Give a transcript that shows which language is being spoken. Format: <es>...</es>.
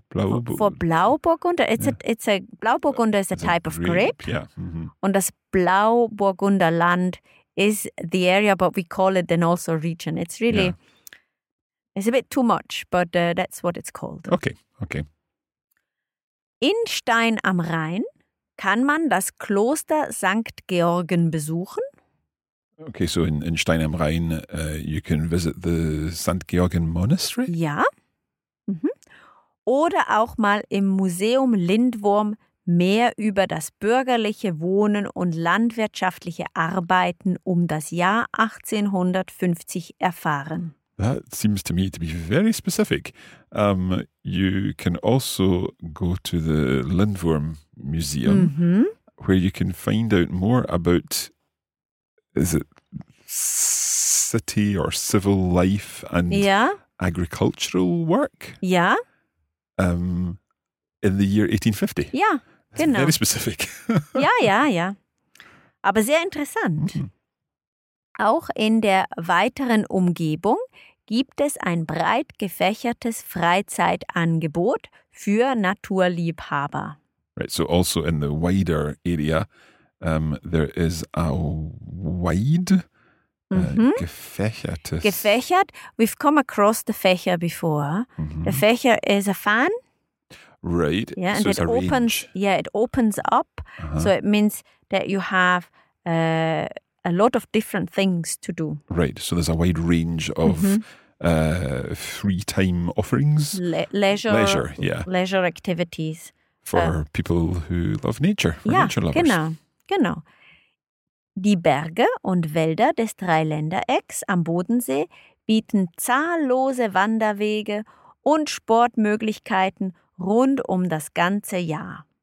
<en>For Blauburgunder? Blauburgunder is a type of grape. Yeah.</en> <de>Und das</de> <en>Blauburgunderland is the area, but we call it then also region. It's really, it's a bit too much, but that's what it's called. Okay.</en> <de>In Stein am Rhein kann man das Kloster St. Georgen besuchen.</de> <en>Okay, so in Stein am Rhein, you can visit the St. Georgen Monastery?</en> <de>Ja. Oder auch mal im Museum Lindwurm mehr über das bürgerliche Wohnen und landwirtschaftliche Arbeiten um das Jahr 1850 erfahren.</de> <en>That seems to me to be very specific. You can also go to the Lindwurm Museum, where you can find out more about, is it city or civil life and agricultural work? Yeah. in the year 1850.</en> <de>Ja, genau.</de> <en>Very specific.</en> <de>Ja, ja, ja. Aber sehr interessant. Mhm. Auch in der weiteren Umgebung gibt es ein breit gefächertes Freizeitangebot für Naturliebhaber.</de> <en>Right, so also in the wider area, there is a wide, gefächertes. Gefächert, we've come across the Fächer before. Mm-hmm. The Fächer is a fan. Right, yeah, so it's a opens, range. Yeah, it opens up, so it means that you have a lot of different things to do. Right, so there's a wide range of free time offerings. Leisure, yeah. Leisure activities. For people who love nature, for nature lovers.</en> <de>Genau, genau. Die Berge und Wälder des Dreiländerecks am Bodensee bieten zahllose Wanderwege und Sportmöglichkeiten rund um das ganze Jahr.</de>